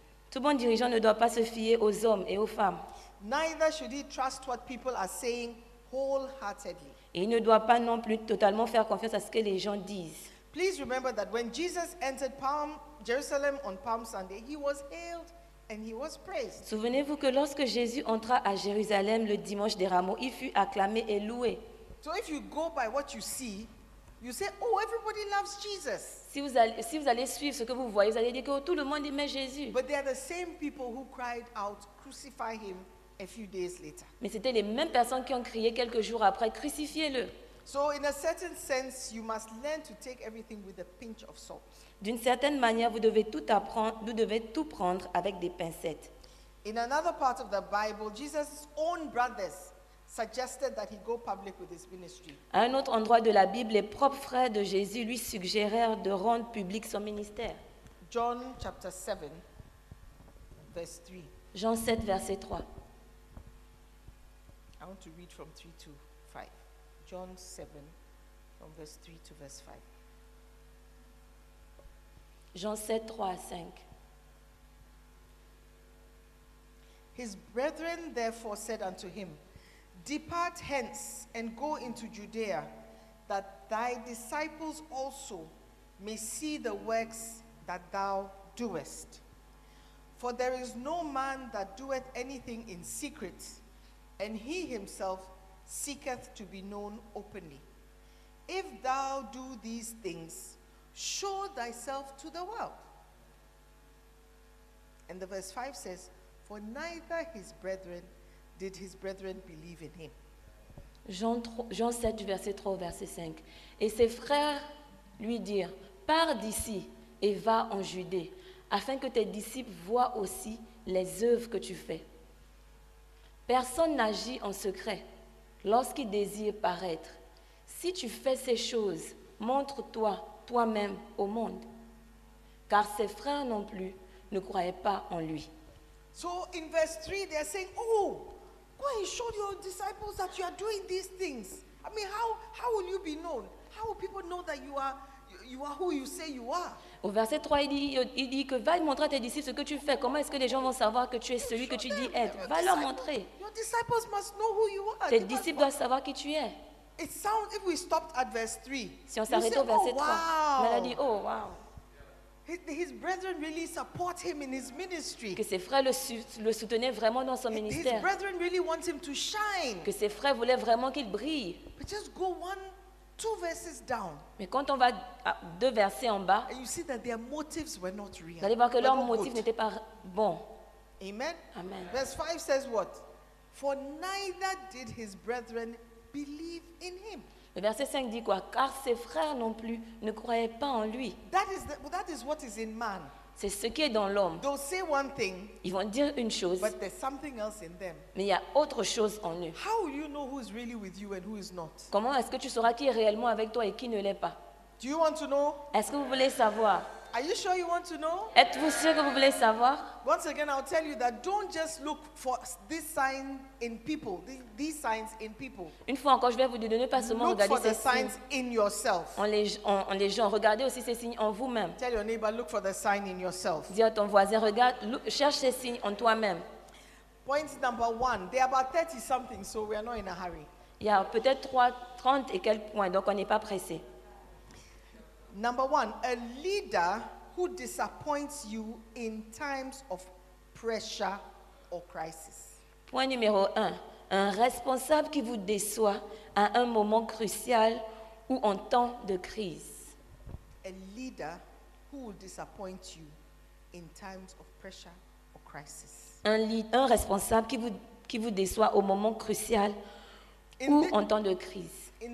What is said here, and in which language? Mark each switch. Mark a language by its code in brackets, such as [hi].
[fr] Tout bon dirigeant ne doit pas se fier aux hommes et aux femmes. [en] Neither should he trust what people are saying wholeheartedly. [fr] Et il ne doit pas non plus totalement faire confiance à ce que les gens disent. [en] Please remember that when Jesus entered Jerusalem on Palm Sunday, he was hailed and he was praised. [fr] Souvenez-vous que lorsque Jésus entra à Jérusalem le dimanche des Rameaux, il fut acclamé et loué. [en] So if you go by what you see, you say, oh, everybody loves Jesus. [fr] Si vous allez suivre ce que vous voyez, vous allez dire que tout le monde aimait Jésus. [en] But they are the same people who cried out, crucify him a few days later. [fr] Mais c'était les mêmes personnes qui ont crié quelques jours après, crucifiez-le. [en] So in a certain sense, you must learn to take everything with a pinch of salt. [fr] D'une certaine manière, vous devez tout prendre avec des pincettes. [en] In another part of the Bible, Jesus' own brothers suggested that he go public with his ministry. [fr] À un autre endroit de la Bible, les propres frères de Jésus lui suggérèrent de rendre public son ministère. [en] John chapter 7, verse 3. [fr] Jean 7, verset 3. [en] I want to read from 3 to 5. John 7, from verse 3 to verse 5. [fr] Jean 7, 3 à 5. [en] His brethren therefore said unto him, depart hence and go into Judea, that thy disciples also may see the works that thou doest. For there is no man that doeth anything in secret, and he himself seeketh to be known openly. If thou do these things, show thyself to the world. And the verse 5 says, for neither his brethren did his brethren believe in him? [fr] Jean 7, verset 3, verset 5. Et ses frères lui dirent, pars d'ici et va en Judée, afin que tes disciples voient aussi les œuvres que tu fais. Personne n'agit en secret lorsqu'il désire paraître. Si tu fais ces choses, montre-toi toi-même au monde. Car ses frères non plus ne croyaient pas en lui. [en] So in verse 3, they are saying, oh, go and show your disciples that you are doing these things. I mean, how will you be known? How will people know that you are who you say you are? [fr] Au verset 3, il dit que va montrer à tes disciples ce que tu fais. Comment est-ce que les gens vont savoir que tu es celui que tu dis être? Va leur montrer. [en] Your disciples must know who you are. [fr] Tes disciples doivent savoir qui tu es. [en] It sounds if we stopped at verse 3. [fr] Si on s'arrête au verset 3, on a dit, oh wow. [en] His brethren really support him in his ministry. [fr] Que ses frères le soutenaient vraiment dans son ministère. [en] His brethren really want him to shine. [fr] Que ses frères voulaient vraiment qu'il brille. [en] But just go one, two verses down. [fr] Mais quand on va à deux versets en bas, [en] and you see that their motives were not real. [fr] Vous allez voir que leurs motifs n'étaient pas bons. [en] Amen. [fr] Amen. [en] Verse 5 says what? For neither did his brethren believe in him. [fr] Le verset 5 dit quoi? Car ses frères non plus ne croyaient pas en lui. [en] That is what is in man. [fr] C'est ce qui est dans l'homme. [en] They'll say one thing, [fr] ils vont dire une chose, [en] but there's something else in them. [fr] Mais il y a autre chose en eux. [en] How will you know who's really with you and who is not? [fr] Comment est-ce que tu sauras qui est réellement avec toi et qui ne l'est pas? [en] Do you want to know? [fr] Est-ce que vous voulez savoir? [en] Are you sure you want to know? [fr] Êtes-vous sûr que vous voulez savoir? [en] Once again, I'll tell you that don't just look for this sign in people. These signs in people. [fr] Une fois encore, je vais vous dire de ne pas seulement regarder ces signes. [en] Look for the signs in yourself. [fr] En les gens, regardez aussi ces signes en vous-même. [en] Tell your neighbor, look for the sign in yourself. [fr] Dis à ton voisin, regarde, cherche ces signes en toi-même. [en] Point number one. They are about 30 something, so we are not in a hurry. [fr] Il y a peut-être 30 et quelques points, donc on n'est pas pressé. [en] Number one, a leader who disappoints you in times of pressure or crisis. [fr] Point numéro un, un responsable qui vous déçoit à un moment crucial ou en temps de crise. [en] A leader who will disappoint you in times of pressure or crisis. [fr] Un responsable qui vous déçoit au moment crucial ou en temps de crise.